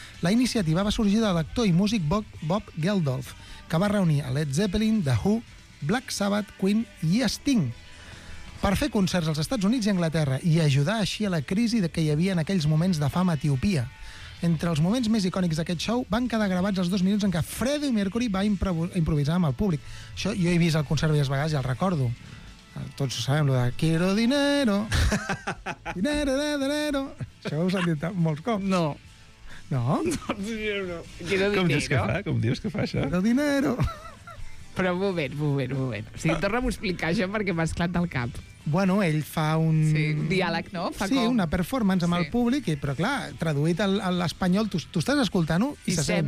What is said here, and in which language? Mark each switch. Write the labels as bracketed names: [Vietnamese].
[Catalan] La iniciativa va sorgir de l'actor i músic Bob Geldof, que va reunir a Led Zeppelin, The Who, Black Sabbath, Queen i Sting per fer concerts als Estats Units i Anglaterra i ajudar així a la crisi que hi havia en aquells moments de fam a Etiopia. Entre els moments més icònics d'aquest show van quedar gravats els dos minuts en què Freddie Mercury va improvisar amb el públic. Això jo he vist el concert diverses vegades i el recordo. Tots ho sabem, lo de [Spanish] quiero dinero, dinero, dinero. [Catalan] Això ho s'han dit molts cops. No. No? [Spanish] Quiero dinero. [Catalan] Com dius que fa això? [Spanish] Quiero dinero. [Catalan] Però un moment. O sigui, torna'm a explicar això perquè m'ha esclat el cap. Bueno, ell fa un... Sí, un diàleg, no? Fa sí, com... una performance amb sí. El públic, però clar, traduït a l'espanyol, tu estàs escoltant-ho i se sent...